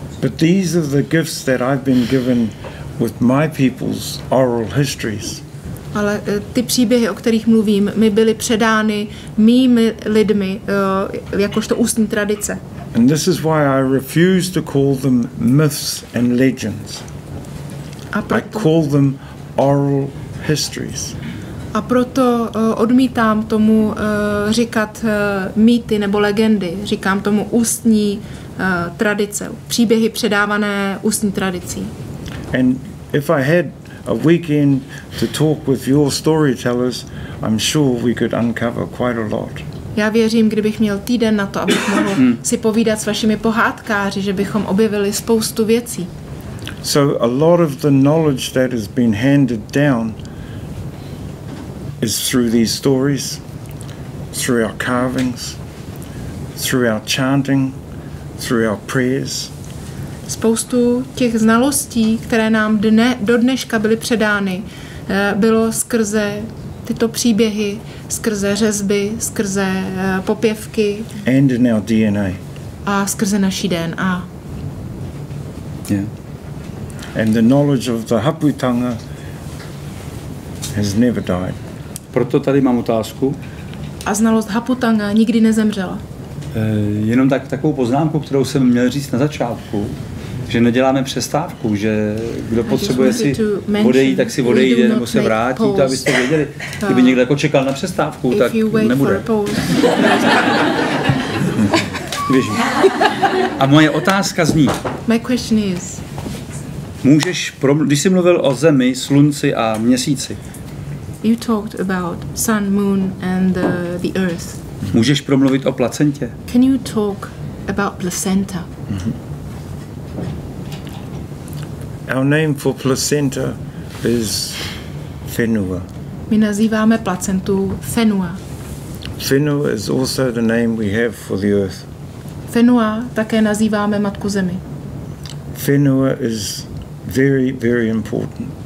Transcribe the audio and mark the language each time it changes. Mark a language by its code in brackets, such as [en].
[en] But these are the gifts that I've been given with my people's oral histories. [cs] Ale ty příběhy, o kterých mluvím, mi byly předány mými lidmi, jakožto ústní tradice. [en] And this is why I refuse to call them myths and legends. I call them oral histories. [cs] A proto odmítám tomu říkat mýty nebo legendy. Říkám tomu ústní tradice, příběhy předávané ústní tradicí. [en] And if I had a weekend to talk with your storytellers, I'm sure we could uncover quite a lot. [cs] Já věřím, kdybych měl týden na to, abych mohl si povídat s vašimi pohádkáři, že bychom objevili spoustu věcí. [en] So a lot of the knowledge that has been handed down is through these stories, through our carvings, through our chanting, through our prayers. [cs] Spoustu těch znalostí, které nám do dneška byly předány, bylo skrze tyto příběhy, skrze řezby, skrze popěvky. [en] And in our DNA. [cs] A skrze naší DNA. [en] Yeah. And the knowledge of the Haputanga has never died. [cs] proto tady mám otázku. A znalost Haputanga nikdy nezemřela. Jenom tak, takovou poznámku, kterou jsem měl říct na začátku, že neděláme přestávku, že kdo potřebuje si odejít, tak si odejde, nebo se vrátí, to abyste věděli. Kdyby někdo jako čekal na přestávku, tak nebude. A moje otázka zní. [en] My question is. [cs] Můžeš, když jsi mluvil o zemi, slunci a měsíci. [en] You talked about sun, moon and the earth. [cs] Můžeš promluvit o placentě? [en] Can you talk about placenta? Our name for placenta is Fenua. [cs] My nazýváme placentu Fenua. [en] Fenua is also the name we have for the earth. [cs] Fenua také nazýváme matku zemi. [en] Fenua is very, very important.